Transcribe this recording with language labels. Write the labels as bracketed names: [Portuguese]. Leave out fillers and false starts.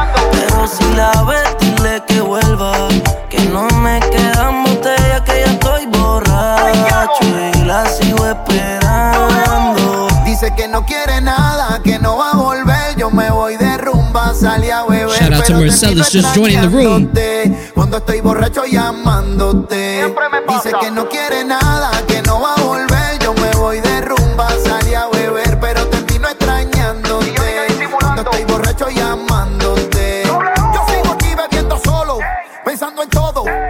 [Spanish] Pero si la ves, dile que vuelva, que no me quedan botellas, que ya estoy borracho y la sigo esperando. Dice que no quiere nada, que no va a volver, yo me voy de rumba, salí a beber. [English] Shout out to Marcellus just joining the room. [Spanish] Cuando estoy borracho llamándote, dice que no quiere nada, que no va a volver. Yo me voy de rumba, salí a beber, pero te vino extrañándote. Cuando estoy borracho llamándote, yo sigo aquí bebiendo solo, pensando en todo.